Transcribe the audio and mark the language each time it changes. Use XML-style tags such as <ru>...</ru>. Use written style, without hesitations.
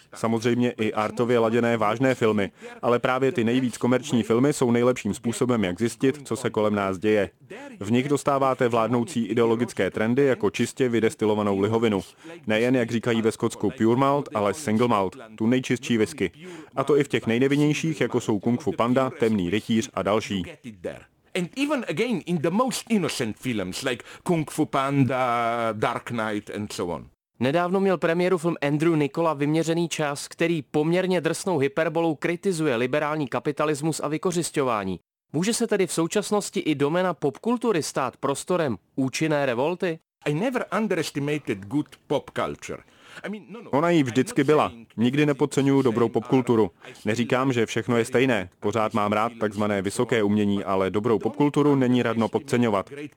<cs>Samozřejmě i artově laděné vážné filmy. Ale právě ty nejvíc komerční filmy jsou nejlepším způsobem, jak zjistit, co se kolem nás děje. V nich dostáváte vládnoucí ideologické trendy jako čistě vydestilovanou lihovinu. Nejen, jak říkají ve Skotsku pure malt, ale single malt, tu nejčistší whisky. A to i v těch nejnevinnějších, jako jsou Kung Fu Panda, Temný rytíř a další.</cs> <en>And even again in the most innocent films like Kung Fu Panda, Dark Knight and so on.</en> <cs>Nedávno měl premiéru film Andrew Nicola Vyměřený čas, který poměrně drsnou hyperbolou kritizuje liberální kapitalismus a vykořisťování. Může se tedy v současnosti i domena popkultury stát prostorem účinné revolty?</cs> <en>I never underestimated good pop culture.</en> <cs>Ona jí vždycky byla. Nikdy nepodceňuju dobrou popkulturu. Neříkám, že všechno je stejné. Pořád mám rád takzvané vysoké umění, ale dobrou popkulturu není radno podceňovat.</cs>